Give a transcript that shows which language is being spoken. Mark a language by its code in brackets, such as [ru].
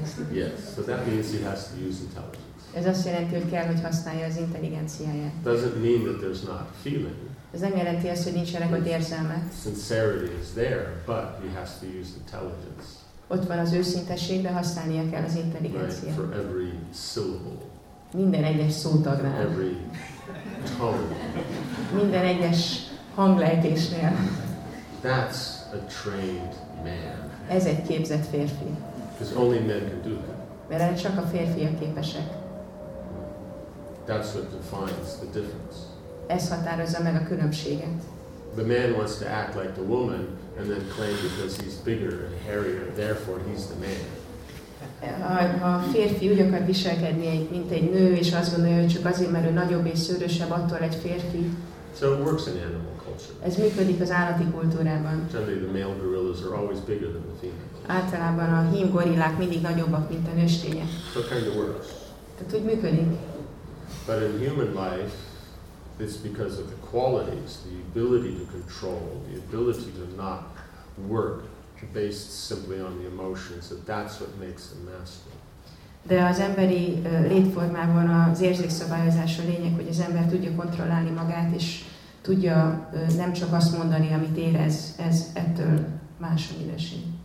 [en] Yes, so that means he has to use intelligence. [hu] Ez azt jelenti, hogy kell, hogy használja az intelligenciáját. [en] Doesn't mean that there's not feeling. [hu] Ez nem jelenti azt, hogy nincsenek ott érzelmek. [en] Sincerity is there, but he has to use intelligence. [hu] Ott van az őszintesség, de használnia kell az intelligenciát. [en] Right, for every syllable. [hu] Minden egyes szótagnál. [en] Every tone. [hu] Minden egyes hanglejtésnél. [en] That's a trained man. [hu] Ez egy képzett férfi. [en] Because only men can do that. [hu] Mert erre csak a férfiak képesek. [en] That's what defines the difference. [hu] Ez határozza meg a különbséget. [en] The man wants to act like the woman and then claim because he's bigger and hairier, therefore he's the man. [hu] A férfi úgy akar viselkedni, mint egy nő, és azt gondolja, hogy csak azért, mert ő nagyobb és szőrösebb, attól egy férfi. [en] So it works in animal culture. [hu] Ez működik az állati kultúrában. [en] Generally the male gorillas are always bigger than the female. [hu] Általában a hím gorillák mindig nagyobbak, mint a nőstények. [en] So it kind of works. [hu] Tehát úgy működik. [en] But in human life, it's because of the qualities, the ability to control, the ability to not work based simply on the emotions, that that's what makes a master. [hu] De az emberi létformában az érzékszabályozás a lényeg, hogy az ember tudja kontrollálni magát, és tudja nem csak azt mondani, amit érez, ez ettől más a minőség.